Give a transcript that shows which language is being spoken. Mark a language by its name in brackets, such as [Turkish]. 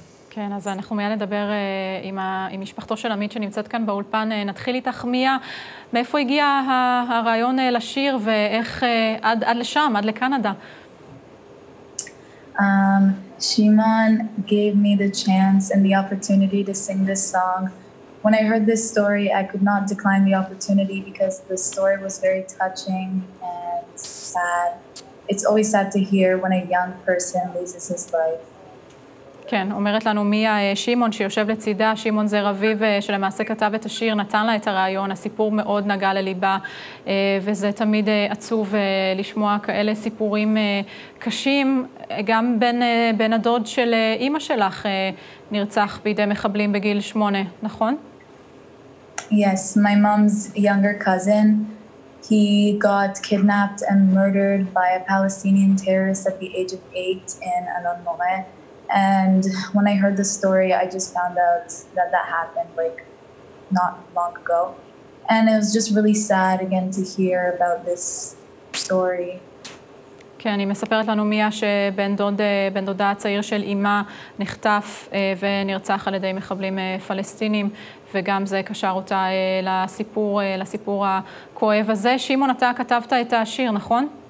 [Hebrew] כן, אז אנחנו מיד נדבר עם משפחתו של עמית שנמצאת כאן באולפן. נתחיל איתך, מיה, מאיפה הגיע הרעיון לשיר ואיך עד לשם, עד לקנדה? [English] Shimon gave me the chance and the opportunity to sing this song. When I heard this story, I could not decline the opportunity because the story was very touching and sad. It's always sad to hear when a young person loses his life. [Hebrew] כן, אומרת לנו מיה שימון שיושב לצידה, שימון זה רביב שלמעשה כתב את השיר, נתן לה את הרעיון, הסיפור מאוד נגע לליבה, וזה תמיד עצוב לשמוע כאלה סיפורים קשים, גם בן הדוד של אמא שלך נרצח בידי מחבלים בגיל 8, נכון? [English] Yes, my mom's younger cousin, he got kidnapped and murdered by a Palestinian terrorist at the age of 8 in Alon Moreh. And when I heard the story, I just found out that that happened, like, not long ago. And it was just really sad, again, to hear about this story. [Hebrew] כן, היא מספרת לנו מיה שבן דוד, בן דודה הצעיר של אמא נחטף ונרצח על ידי מחבלים פלסטינים, וגם זה קשר אותה לסיפור הכואב הזה. שימון, אתה כתבת את השיר, נכון?